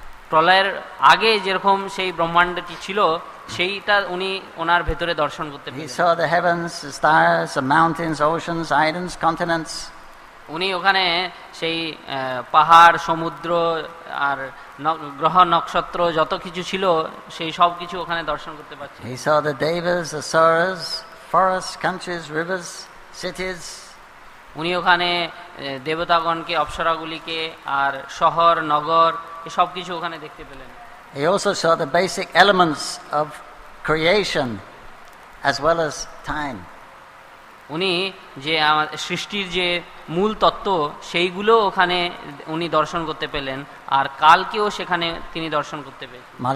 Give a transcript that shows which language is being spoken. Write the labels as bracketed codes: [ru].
[bn] প্রলয়ের আগে যেরকম সেই ব্রহ্মাণ্ডটি ছিল সেইটা উনি ওনার ভেতরে দর্শন করতে পেরেছেন। উনি ওখানে সেই পাহাড় সমুদ্র আর গ্রহ নক্ষত্র যত কিছু ছিল সেই সব কিছু ওখানে দর্শন করতে পাচ্ছেন। [en] He saw the devas, asuras, forests, countries, rivers, cities. [bn] উনি ওখানে দেবতাগণকে অপ্সরাগুলিকে আর শহর নগর সব কিছু ওখানে দেখতে পেলেন। [en] He also saw the basic elements of creation as well as time. [bn] উনি যে সৃষ্টির যে মূল তত্ত্ব সেইগুলো ওখানে উনি দর্শন করতে পেলেন আর কালকেও সেখানে তিনি দর্শন করতে পেলেন।